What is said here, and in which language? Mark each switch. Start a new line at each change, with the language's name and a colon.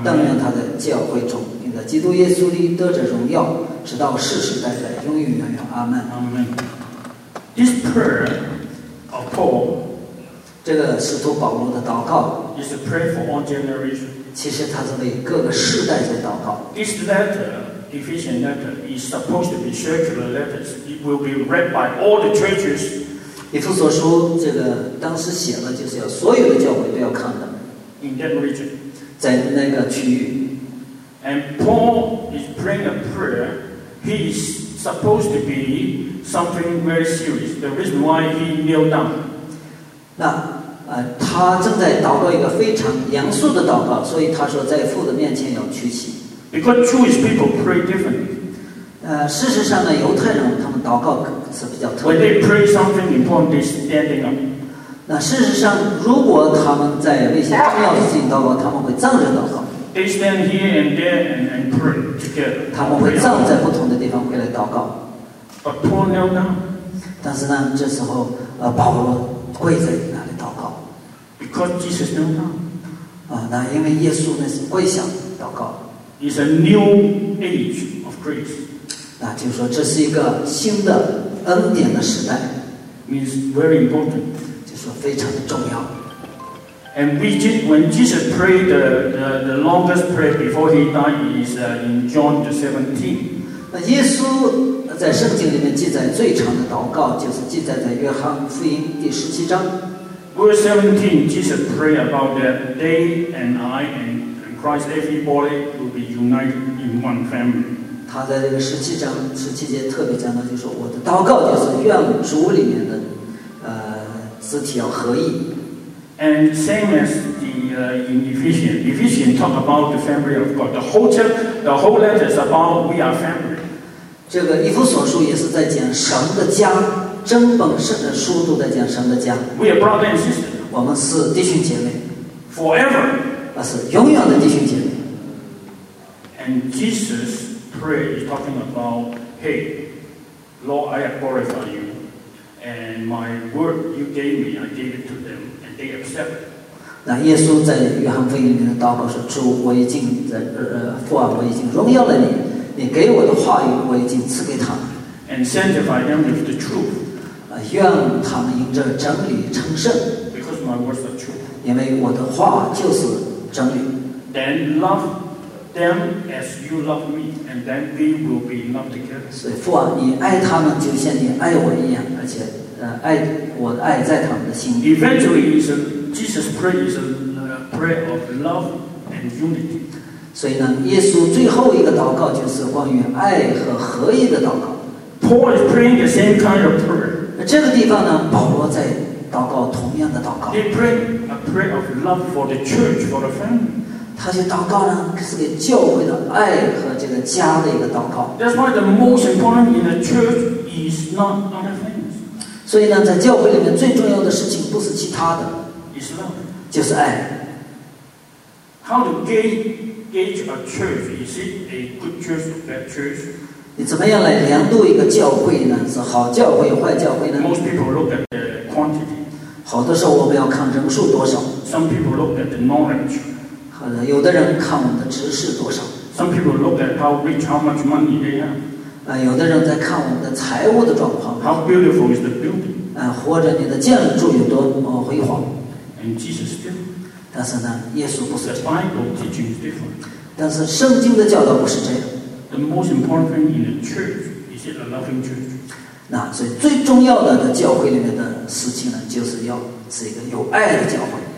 Chinese: 但愿他在教会中，并在基督耶稣里得着荣耀，直到世世代代，永永远远。阿门。阿门。
English: This prayer of Paul,
Chinese: 这个使徒保罗的祷告
English: is a prayer for all generations.
Chinese: 其实他是为各个世代在祷告。
English: This letter, Ephesian letter, is supposed to be circular letters. It will be read by all the churches.
Chinese: 以弗所书这个当时写了，就是要所有的教会都要看的。
English: In that region.
Chinese: 在那个区域。
English: And Paul is praying a prayer. He is supposed to be something very serious. The reason why he kneeled down.
Chinese: 那他正在祷告一个非常严肃的祷告，所以他说在父的面前要屈膝。
English: Because Jewish people pray differently.
Chinese: 事实上呢，犹太人他们祷告是比较特别的。
English: When they pray something important, they standing up.
Chinese: 那事实上，如果他们在为一些重要事情祷告，他们会站着祷告。
English: They stand here and there and pray together.
Chinese: 他们会站在不同的地方回来祷告。
English: But Paul knelt down.
Chinese: 但是呢，这时候保罗跪在那里祷告。
English: Because Jesus knelt down.
Chinese: 那因为耶稣呢是跪下祷告。
English: It's a new age of grace.
Chinese: 那就是说这是一个新的恩典的时代
English: means very important
Chinese: 就是说非常的重要
English: and we did, when Jesus prayed the longest prayer before he died is in John 17
Chinese: 那耶稣在圣经里面记载最长的祷告就是记载在约翰福音第十七章
English: verse 17 Jesus prayed about that they and I and Christ everybody will be united in one family
Chinese: 他在这个十七章十七节特别讲到，就是说我的祷告就是愿主里面的肢体要合一。
English: And same as the in Ephesians, Ephesians talk about the family of God. The whole letter is about we are family.
Chinese: 这个以弗所书也是在讲神的家，整本圣经书都在讲神的家。
English: We are brothers and sisters.
Chinese: 我们是弟兄姐妹。
English: Forever.
Chinese: 那是永远的弟兄姐妹。
English: And Jesus. Prayer is talking about, hey, Lord, I glorify you, and my word you gave me, I gave it to them, and they accept it.
Chinese: 那耶稣在约翰福音里面的祷告说：“主，我已经在父啊，我已经荣耀了你，你给我的话语我已经赐给他们。
English: And sanctify them with the truth.
Chinese: 愿他们因着真理成圣。
English: Because my words are truth.
Chinese: 因为我的话就是真理。
English: Then love. Them as you love me, and then we will be in love together.
Chinese: 所以父啊，你爱他们就像你爱我一样，而且爱我的爱在他们的心里。
English: Eventually, Jesus prayed is a prayer of love and unity.
Chinese: 所以呢，耶稣最后一个祷告就是关于爱和合一的祷告。
English: Paul is praying the same kind of prayer.
Chinese: 这个地方呢，保罗在祷告同样的祷告。
English: He prayed a prayer of love for the church, for the family.
Chinese: 他就祷告呢，是给教会的爱和这个家的一个祷告。
English: That's why the most important in the church is not other things.
Chinese: 所以呢，在教会里面最重要的事情不是其他的
English: ，is love，
Chinese: 就是爱。
English: How to gauge a church? Is it a good church or bad church?
Chinese: 你怎么样来量度一个教会呢？是好教会、坏教会呢
English: ？Most people look at the quantity.
Chinese: 好多时候我们要看人数多少。
English: Some people look at the knowledge.
Chinese: 有的人看我们的知识多少
English: Some people look at how rich, how much money they have.
Chinese: 有的人在看我们的财务的状况
English: How beautiful is the building.
Chinese: 或者你的建筑有多么辉煌
English: And Jesus did.
Chinese: 但是呢，耶稣不是
English: The Bible teaching is different.
Chinese: 但是圣经的教导不是这样
English: The most important thing in the church is it a loving church.
Chinese: 那所以最重要的教会里面的事情呢，就是要是一个有爱的教会。